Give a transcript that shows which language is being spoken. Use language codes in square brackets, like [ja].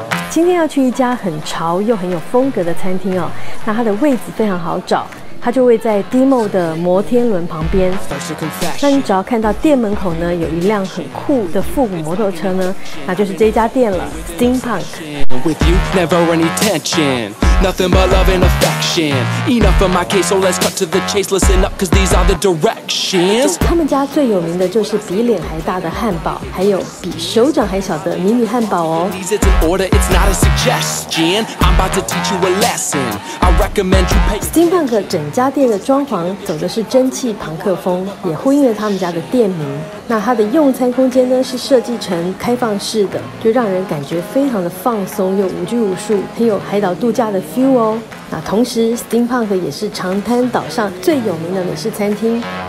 [zh] 今天要去一家很潮又很有风格的餐厅哦，那它的位置非常好找，它就位在 DMO 的摩天轮旁边。那你只要看到店门口呢有一辆很酷的复古摩托车呢，那就是这家店了， Steampunk。 [en] With you, never any tension. Nothing but love and affection. Enough of my case, so let's cut to the chase. Listen up, cause these are the directions. [zh] 他们家最有名的就是比脸还大的汉堡，还有比手掌还小的迷你汉堡哦。 [en] It's an order, it's not a suggestion. I'm about to teach you a lesson. I recommend you pay. [zh] Steampunk整家店的装潢走的是蒸汽朋克风，也呼应了他们家的店名。那它的用餐空间呢是设计成开放式的，就让人感觉非常的放松又无拘无束，很有海岛度假的 feel 哦。那同时 Steampunk 也是长滩岛上最有名的美式餐厅。